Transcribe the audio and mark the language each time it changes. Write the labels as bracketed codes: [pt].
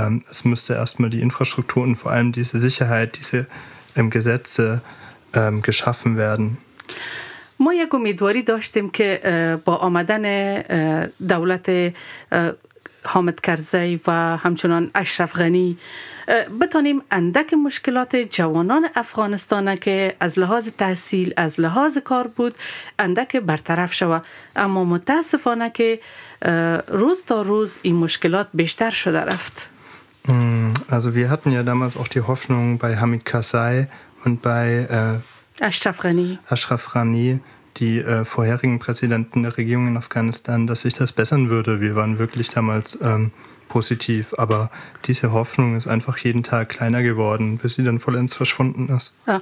[de] Es müsste erstmal die Infrastruktur und vor allem diese Sicherheit, diese Gesetze geschaffen werden. [fa] ما یک امیدواری داشتیم که با آمدن دولت حامد کرزی و همچنان اشرف غنی بتانیم اندک مشکلات جوانان افغانستان که از لحاظ تحصیل، از لحاظ کار بود، اندک برطرف شود. اما متاسفانه که روز تا روز این مشکلات بیشتر شده رفت. [de] Also wir hatten ja damals auch die Hoffnung bei Hamid Karzai und bei Ashraf Ghani, die vorherigen Präsidenten der Regierung in Afghanistan, dass sich das bessern würde. Wir waren wirklich damals positiv, aber diese Hoffnung ist einfach jeden Tag kleiner geworden, bis sie dann vollends verschwunden ist.